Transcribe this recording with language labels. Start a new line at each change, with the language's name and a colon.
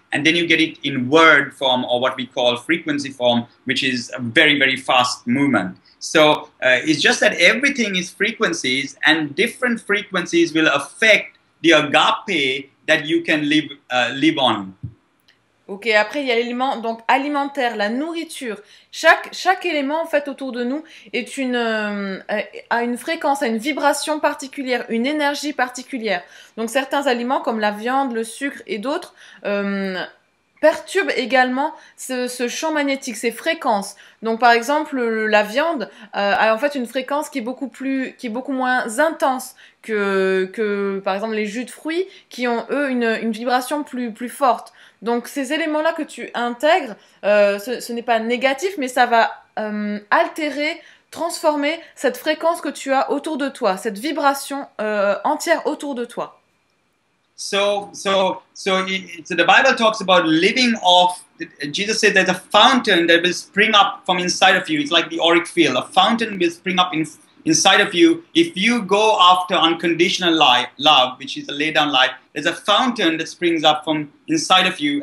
English: And then you get it in word form, or what we call frequency form, which is a very, very fast movement. So it's just that everything is frequencies, and different frequencies will affect the agape that you can live on.
French: Ok, après il y a l'élément donc alimentaire, la nourriture. Chaque élément en fait autour de nous est a une fréquence, a une vibration particulière, une énergie particulière. Donc certains aliments comme la viande, le sucre et d'autres perturbent également ce champ magnétique, ces fréquences. Donc par exemple la viande a en fait une fréquence qui est beaucoup moins intense que par exemple les jus de fruits qui ont eux une vibration plus forte. Donc ces éléments-là que tu intègres, ce n'est pas négatif, mais ça va altérer, transformer cette fréquence que tu as autour de toi, cette vibration entière autour de toi.
English: So the Bible talks about living off. Jesus said there's a fountain that will spring up from inside of you. It's like the auric field. A fountain will spring up inside of you. If you go after unconditional love, which is a laid down life, there's a fountain that springs up from inside of you.